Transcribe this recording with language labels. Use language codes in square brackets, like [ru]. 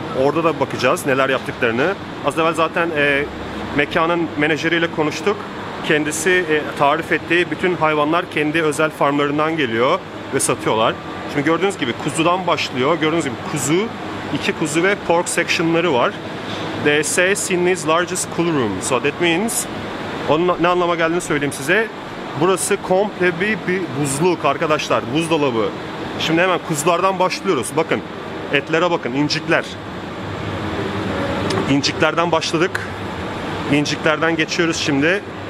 [tr] Orada da bakacağız neler yaptıklarını. Az evvel zaten mekanın menajeriyle konuştuk. Kendisi tarif ettiği bütün hayvanlar kendi özel farmlarından geliyor ve satıyorlar. Şimdi gördüğünüz gibi kuzudan başlıyor. Gördüğünüz gibi kuzu, iki kuzu ve pork section'ları var. [en] They say Sydney's largest coolroom. So that means, [tr] onun ne anlama geldiğini söyleyeyim size. Burası komple bir buzluk arkadaşlar, buzdolabı. Şimdi hemen kuzulardan başlıyoruz. Bakın, etlere bakın, incikler. İnciklerden başladık. İnciklerden geçiyoruz şimdi.